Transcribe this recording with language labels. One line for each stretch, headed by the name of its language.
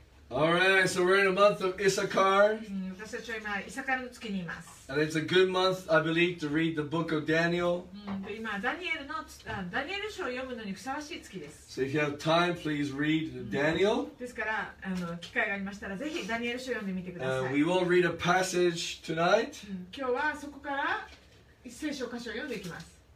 English: Alright, so we're in the month of Issachar.
Japanese: 私たちは今、イサカルの月にいます。
English: And it's a good month, I believe, to read the book of Daniel.
Japanese: 今、ダニエル書を読むのにふさわしい月です。
English: So if you have time, please read Daniel.
Japanese: ですから、機会がありましたら、ぜひダニエル書を読んでみてください。
English: We will read a passage tonight.
Japanese: 今日はそこから一聖書箇所を読んでいきます。